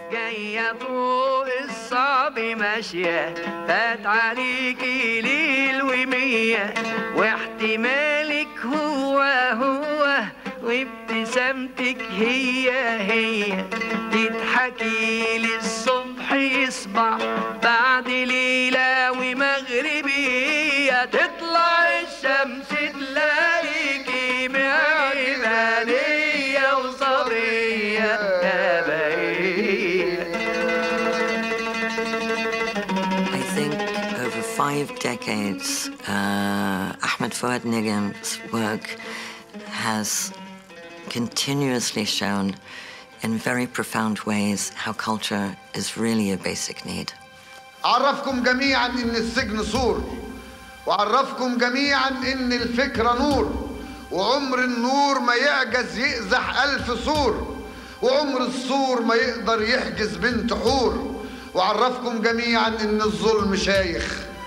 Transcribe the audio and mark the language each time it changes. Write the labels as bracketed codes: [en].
[ar] جاية فوق الصعب ماشية فات عليكي ليل ومية واحتمالك هو هو وابتسامتك هي هي تضحكي للصبح بعد ليلة ومغربية تطلع الشمس تلاقيكي معدلانية وصبرية كبيرة. [en] I think over five decades Ahmed Fouad Negm's work has continuously shown in very profound ways how culture is really a basic need. [ar] عرفكم جميعا ان السجن سور وعرفكم جميعا ان الفكره نور وعمر النور ما يعجز يقزح الف سور وعمر السور ما يقدر يحجز بنت حور وعرفكم جميعا ان الظلم شايخ